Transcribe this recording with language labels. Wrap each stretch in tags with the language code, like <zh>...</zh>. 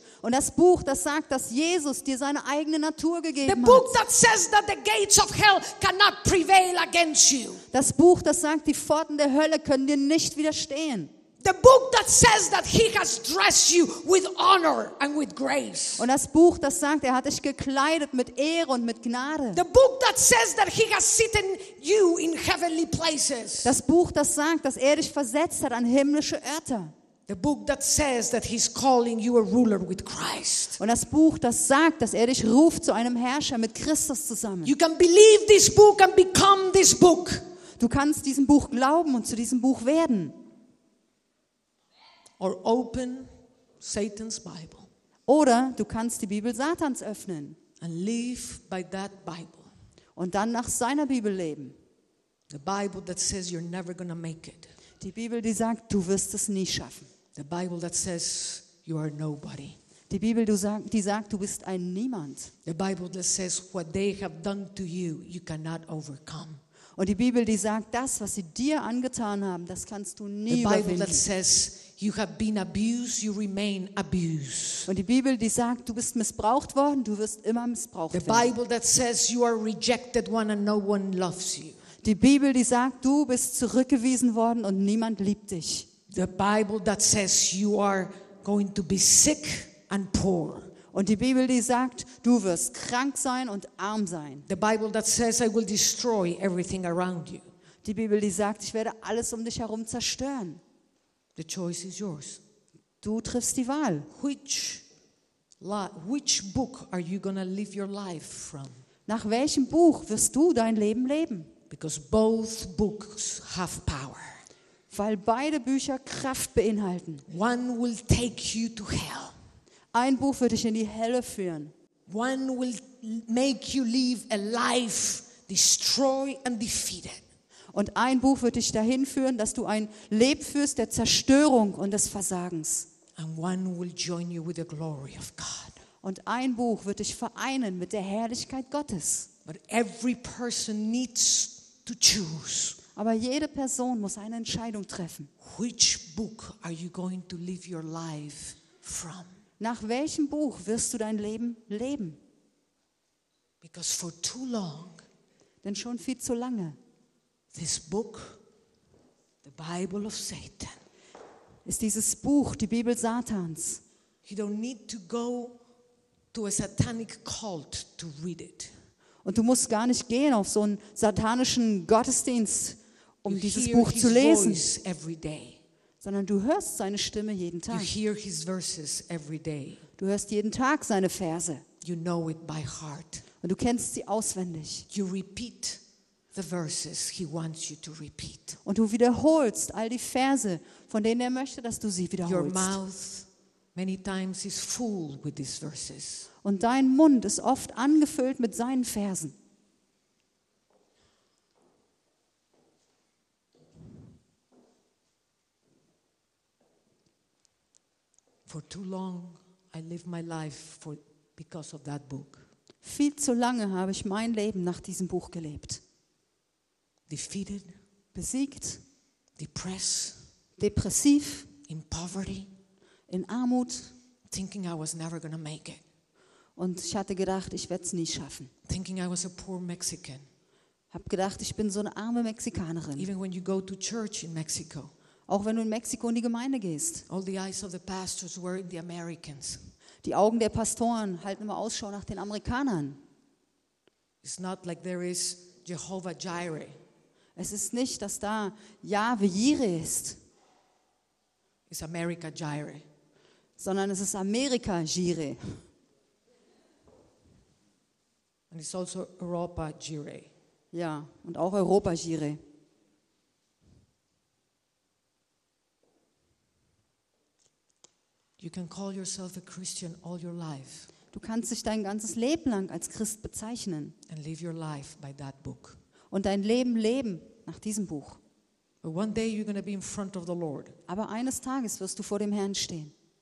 <de>Und das Buch, das sagt, dass Jesus dir seine eigene Natur gegeben</de> <en>the</en> <de>hat.</de> <en>The book that says that the gates of hell cannot prevail against you.</en> <de>Das Buch, das sagt, die Pforten der Hölle können dir nicht widerstehen.</de> <en>The book that says that he has dressed you with honor and with grace.</en> <de>Und das Buch, das sagt, hat dich gekleidet mit Ehre und mit Gnade.</de> <en>The book that says that he has seated you in heavenly places.</en> <de>Das Buch, das sagt, dass dich versetzt hat an himmlische Orte.</de> <en>The book that says that he's calling you a ruler with Christ.</en> <de>Und das Buch, das sagt, dass dich ruft zu einem Herrscher mit Christus zusammen.</de> <en>You can believe this book and become this book.</en> <de>Du kannst diesem Buch glauben und zu diesem Buch werden.</de> <en>Or open Satan's Bible.</en> <de>Oder du kannst die Bibel Satans öffnen.</de> <en>And live by that Bible.</en> <de>Und dann nach seiner Bibel leben.</de> <en>The Bible that says you're never gonna make it.</en> <de>Die Bibel, die sagt, du wirst es nie schaffen.</de> <en>The Bible that says you are nobody.</en> <de>Die Bibel, die sagt, du bist ein Niemand.</de> <en>The Bible that says what they have done to you, you cannot overcome.</en> <de>Und die Bibel, die sagt, das, was sie dir angetan haben, das kannst du nie überwinden.</de> <en>The Bible that says you have been abused, you remain abused.</en> <de>Und die Bibel, die sagt, du bist missbraucht worden, du wirst immer missbraucht werden.</de> <en>The Bible that says you are rejected one and no one loves you.</en> <de>Die Bibel, die sagt, du bist zurückgewiesen worden und niemand liebt dich.</de> <en>The Bible that says you are going to be sick and poor.</en> <de>Und die Bibel, die sagt, du wirst krank sein und arm sein.</de> <en>The Bible that says I will destroy everything around you.</en> <de>Die Bibel, die sagt, ich werde alles um dich herum zerstören.</de> <en>The choice is yours.</en> <de>Du triffst die Wahl.</de> <en>Which book are you gonna live your life from?</en> <de>Nach welchem Buch wirst du dein Leben leben?</de> <en>Because both books have power.</en> <de>Weil beide Bücher Kraft beinhalten.</de> <en>One will take you to hell.</en> <de>Ein Buch wird dich in die Hölle führen.</de> <en>One will make you live a life destroyed and defeated.</en> <de>Und ein Buch wird dich dahin führen, dass du ein Leben führst der Zerstörung und des Versagens.</de> <en>And one will join you with the glory of God.</en> <de>Und ein Buch wird dich vereinen mit der Herrlichkeit Gottes.</de> <en>But every person needs to choose.</en> <de>Aber jede Person muss eine Entscheidung treffen.</de> <en>Which book are you going to live your life from?</en> <de>Nach welchem Buch wirst du dein Leben leben?</de> <en>Because for too long,</en> <de>denn schon viel zu lange,</de> <en>this book, the Bible of Satan,</en> <de>ist dieses Buch, die Bibel Satans.</de> <en>You don't need to go to a satanic cult to read it.</en> <de>Und du musst gar nicht gehen auf so einen satanischen Gottesdienst, um dieses Buch zu lesen.</de> <en>You hear his voice every day.</en> <de>Sondern du hörst seine Stimme jeden Tag.</de> <en>You hear his verses every day.</en> <de>Du hörst jeden Tag seine Verse.</de> <en>You know it by heart.</en> <de>Und du kennst sie auswendig.</de> <en>You repeat the verses he wants you to repeat.</en> <de>Und du wiederholst all die Verse, von denen möchte, dass du sie wiederholst.</de> <en>Your mouth many times is full with these verses.</en> <de>Und dein Mund ist oft angefüllt mit seinen Versen.</de> <en>For too long I live my life for because of that book.</en> <de>Viel zu lange habe ich mein Leben nach diesem Buch gelebt.</de> <en>Defeated,</en> <de>besiegt,</de> <en>depressed,</en> <de>depressiv,</de> <en>in poverty,</en> <de>in Armut,</de> <en>thinking I was never gonna make it.</en> <de>Und ich hatte gedacht, ich werde es nie schaffen.</de> <en>Thinking I was a poor Mexican.</en> <de>Hab gedacht, ich bin so eine arme Mexikanerin.</de> <en>Even when you go to church in Mexico.</en> <de>Auch wenn du in Mexiko in die Gemeinde gehst.</de> <en>All the eyes of the pastors were in the Americans.</en> <de>Die Augen der Pastoren halten immer Ausschau nach den Amerikanern.</de> <en>It's not like there is Jehovah Jireh.</en> <de>Es ist nicht, dass da Jahweh Jireh ist.</de> <en>It's America Jireh.</en> <de>Sondern es ist Amerika Jireh.</de> <en>And it's also Europa Jireh.</en> <de>Ja, und auch Europa Jireh.</de> <en>You can call yourself a Christian all your life.</en> <de>Du kannst dich dein ganzes Leben lang als Christ bezeichnen.</de> <en>And live your life by that book.</en> <de>Und dein Leben leben nach diesem Buch.</de> <en>But one day you're going to be in front of the Lord.</en> <de>Aber eines Tages wirst du vor dem Herrn stehen.</de>